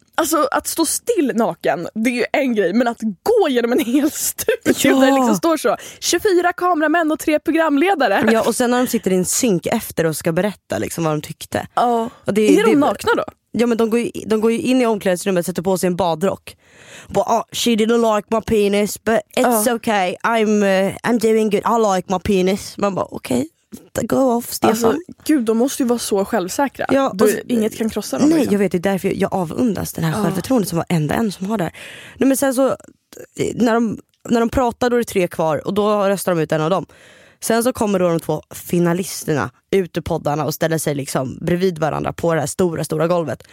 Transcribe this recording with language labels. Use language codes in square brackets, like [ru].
[sv] Alltså att stå still naken, det är ju en grej, men att gå genom en hel studio där det liksom står så 24 kameramän och 3 programledare. Ja, och sen när de sitter i en synk efter och ska berätta liksom vad de tyckte. Ja. Och är de nakna då? Ja, men de går ju in i omklädningsrummet och sätter på sig en badrock. [en] But, she didn't like my penis, but it's okay. I'm doing good. I like my penis. [sv] Man bara okej. [en] Okay. Go off, [sv] Stefan. Alltså, gud, de måste ju vara så självsäkra. Ja, inget kan krossa dem. Nej, liksom. Jag vet, det är därför jag avundas den här självförtroendet som var enda en som har det. Nej, men sen så, när de pratar, då är det 3 kvar. Och då röstar de ut en av dem. Sen så kommer då de 2 finalisterna ut ur poddarna och ställer sig liksom bredvid varandra på det här stora, stora golvet.